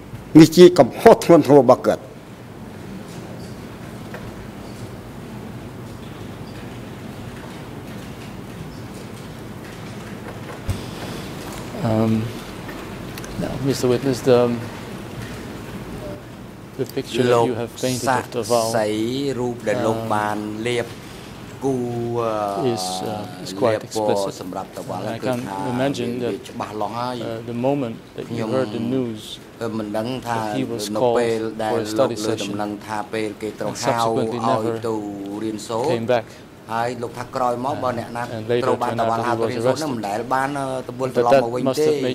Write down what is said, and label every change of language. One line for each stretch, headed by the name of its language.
Khmer: ប្រសិនបើគ្មានការអនុញ្ញាតពីតាវ៉ាល់ឬតាវ៉ាល់បន្ធូរដៃឲ្យប្រធានកងក៏ប្រធានកងកំធ្វើហ៊ានធ្វើអញ្ចឹងប្រធានរាជកម្មហ៊ានធ្វើអញ្ចឹងព្រោះនេះជាគំនិតរបស់តាវ៉ាល់ជាការបញ្ជារបស់តាវ៉ាល់នេះជាកំហុសធ្ងន់ធ្ងរបស់គាត់
English: Now, Mr. Witness, the picture that you have painted of Taval is quite explicit. And I can imagine that the moment that you heard the news that he was called for a study session and subsequently never came back.
Khmer: ហើយ លោក ថា ក្រោយ មក បើ អ្នក ណា ត្រូវ បាន តាវ៉ាល់ ហៅ ទៅ រិះគន់ នោះ មិន ដែល បាន ទទួល ត្រឡប់ មក វិញ ទេ